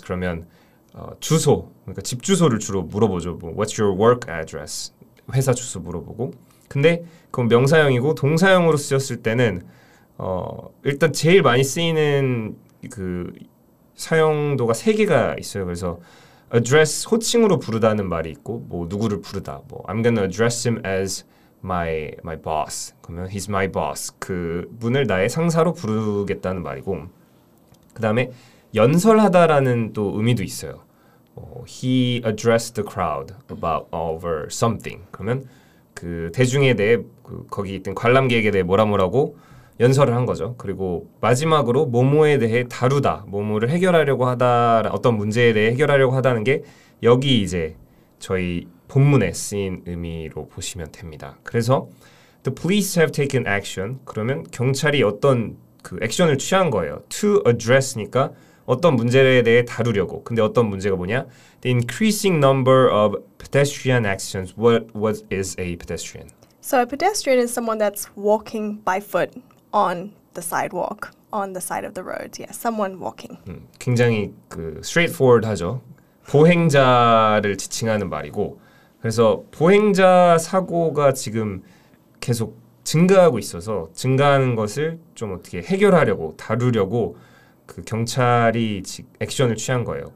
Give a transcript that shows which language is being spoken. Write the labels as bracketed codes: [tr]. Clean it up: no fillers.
[ko] 그러면 주소, 그러니까 집 주소를 주로 물어보죠. 뭐 [en] what's your work address? [ko] 회사 주소 물어보고. 근데 그건 명사형이고 동사형으로 쓰였을 때는 일단 제일 많이 쓰이는 그 사용도가 세 개가 있어요. 그래서 address 호칭으로 부르다는 말이 있고 뭐 누구를 부르다. [en] 뭐 I'm gonna address him as my boss. 그러면 he's my boss. [ko] 그 분을 나의 상사로 부르겠다는 말이고. 그다음에 연설하다라는 또 의미도 있어요. [en] 뭐, he addressed the crowd about over something. [ko] 그러면 그 대중에 대해 그 거기 있던 관람객에 대해 뭐라고 연설을 한 거죠. 그리고 마지막으로 뭐뭐에 대해 다루다, 뭐뭐를 해결하려고 하다, 어떤 문제에 대해 해결하려고 하다는 게 여기 이제 저희 본문에 쓰인 의미로 보시면 됩니다. [en] 그래서 the police have taken action. [ko] 그러면 경찰이 어떤 그 액션을 취한 거예요. To address니까 어떤 문제에 대해 다루려고. 근데 어떤 문제가 뭐냐? [en] The increasing number of pedestrian accidents. What is a pedestrian? So a pedestrian is someone that's walking by foot. On the sidewalk, on the side of the road. Yeah, someone walking. [ko] 굉장히 그 straightforward하죠. 보행자를 지칭하는 말이고 그래서 보행자 사고가 지금 계속 증가하고 있어서 증가하는 것을 좀 어떻게 해결하려고, 다루려고 그 경찰이 액션을 취한 거예요.